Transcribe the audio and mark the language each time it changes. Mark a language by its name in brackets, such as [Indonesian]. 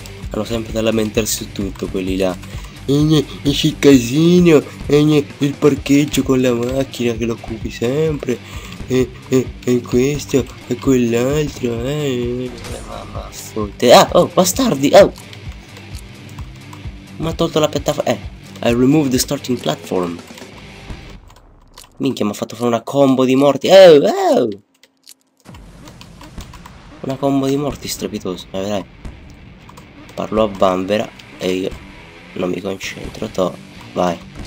[Italian] Hanno sempre da lamentarsi su tutto quelli là. Esce il casino, il parcheggio con la macchina che lo occupi sempre, e questo e quell'altro, mamma fotte. Ah, oh bastardi, oh, mi ha tolto la piattaforma. [English] I removed the starting platform. [Italian] Minchia, mi ha fatto fare una combo di morti. Una combo di morti strepitosa. Vedrai. Parlo a bambera e io non mi concentro. Vai.